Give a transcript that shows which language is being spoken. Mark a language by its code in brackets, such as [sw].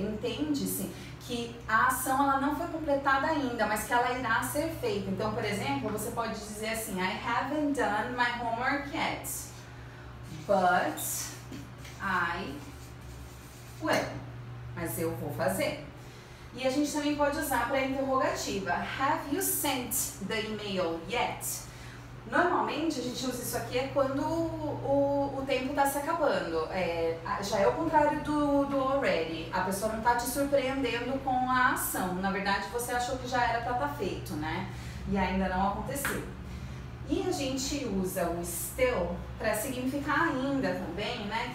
[pt] Entende-se que a ação ela não foi completada ainda, mas que ela irá ser feita. Então, por exemplo, você pode dizer assim, [en] I haven't done my homework yet, but I will. [pt] Mas eu vou fazer. E a gente também pode usar para a interrogativa. [en] Have you sent the email yet? [pt] Normalmente, a gente usa isso aqui é quando o tempo está se acabando. Já é o contrário do already. A pessoa não está te surpreendendo com a ação. Na verdade, você achou que já era para estar feito, né? E ainda não aconteceu. E a gente usa o still para significar ainda também, né?